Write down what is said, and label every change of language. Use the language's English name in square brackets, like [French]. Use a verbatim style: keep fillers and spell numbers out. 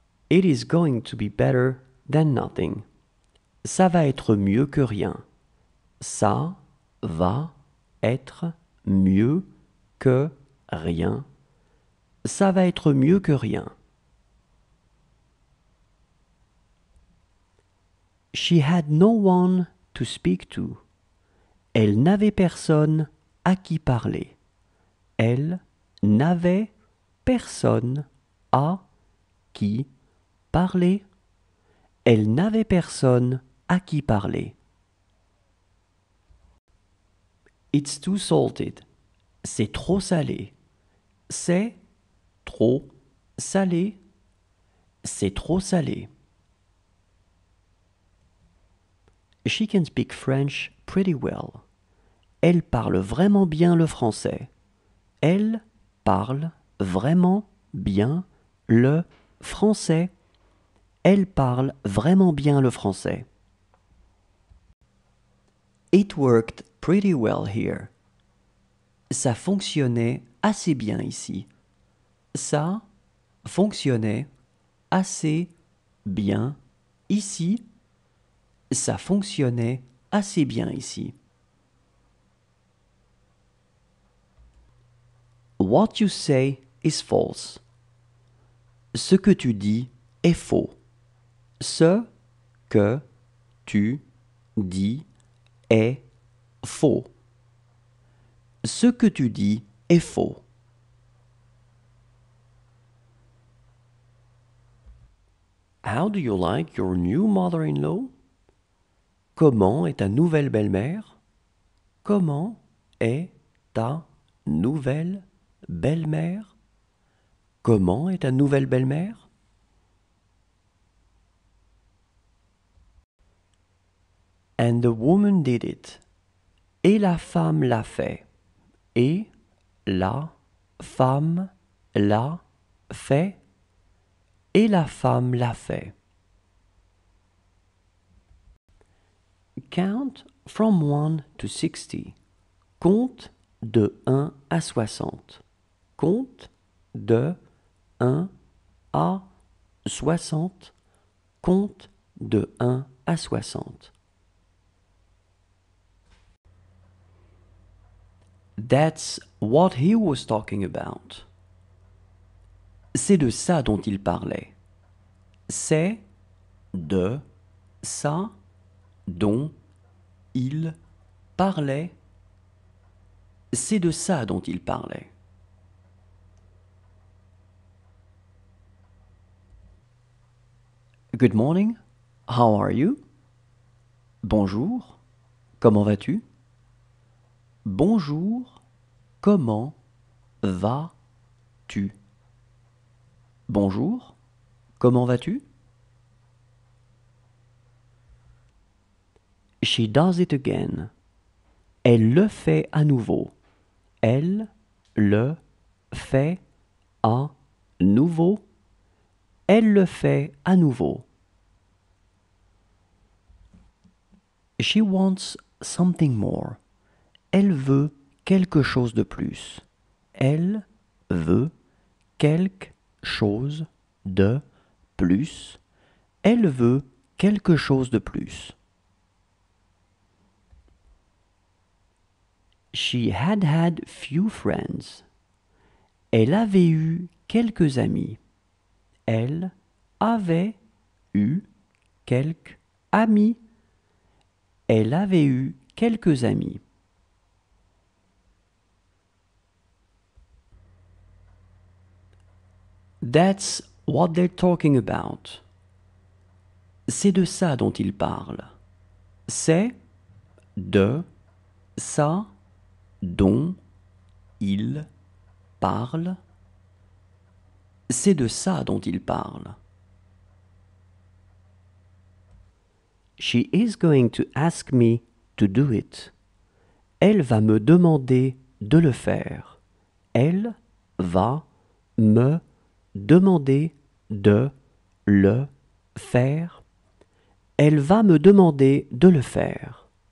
[English] It is going to be better than nothing. [French] Ça va être mieux que rien. Ça va être mieux que rien. Ça va être mieux que rien. [English] She had no one to speak to. [French] Elle n'avait personne à qui parler. Elle n'avait personne à qui parler. Elle n'avait personne à qui parler. [English] It's too salted. [French] C'est trop salé. C'est trop salé. C'est trop salé. [English] She can speak French pretty well. [French] Elle parle vraiment bien le français. Elle parle vraiment bien le français. Elle parle vraiment bien le français. [English] It worked pretty well here. [French] Ça fonctionnait assez bien ici. Ça fonctionnait assez bien ici. Ça fonctionnait assez bien ici. [English] What you say is false. [French] Ce que tu dis est faux. Ce que tu dis est faux. Ce que tu dis est faux. [English] How do you like your new mother-in-law? [French] Comment est ta nouvelle belle-mère? Comment est ta nouvelle belle-mère? Comment est ta nouvelle belle-mère? [English] And the woman did it. [French] Et la femme l'a fait. Et la femme l'a fait. Et la femme l'a fait. [English] Count from one to sixty. [French] Compte de un à soixante. Compte de un à soixante. Compte de un à soixante. [English] That's what he was talking about. [French] C'est de ça dont il parlait. C'est de ça dont il parlait. C'est de ça dont il parlait. [English] Good morning. How are you? [French] Bonjour. Comment vas-tu? Bonjour. Comment vas-tu? Bonjour. Comment vas-tu? [English] She does it again. [French] Elle le fait à nouveau. Elle le fait à nouveau. Elle le fait à nouveau. [English] She wants something more. [French] Elle veut quelque chose de plus. Elle veut quelque chose de plus. Elle veut quelque chose de plus. [English] She had had few friends. [French] Elle avait eu quelques amis. Elle avait eu quelques amis. Elle avait eu quelques amis. [English] That's what they're talking about. [French] C'est de ça dont ils parlent. C'est de ça dont il parle. C'est de ça dont il parle. [English] She is going to ask me to do it. [French] Elle va me demander de le faire. Elle va me demander de le faire. Elle va me demander de le faire.